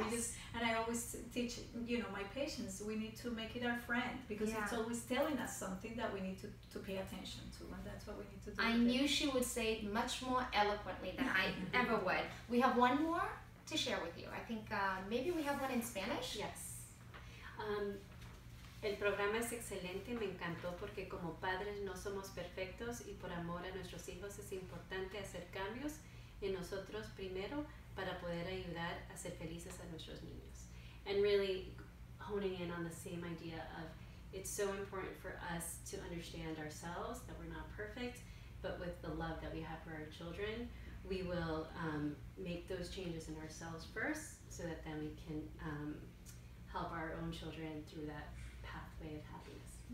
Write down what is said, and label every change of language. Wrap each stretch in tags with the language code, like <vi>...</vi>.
<en>We just, and I always teach, you know, my patients, we need to make it our friend because yeah. it's always telling us something that we need to pay attention to, and that's what we need to do. I knew she would say it much more eloquently than I ever would. We have one more to share with you. I think maybe we have one in Spanish. Yes.</en> <es>El programa es excelente, me encantó porque como padres no somos perfectos y por amor a nuestros hijos es importante hacer cambios en nosotros primero para poder ayudar a ser felices a nuestros niños.</es> <en>And really honing in on the same idea of it's so important for us to understand ourselves that we're not perfect, but with the love that we have for our children, we will make those changes in ourselves first so that then we can help our own children through that pathway of happiness.</en>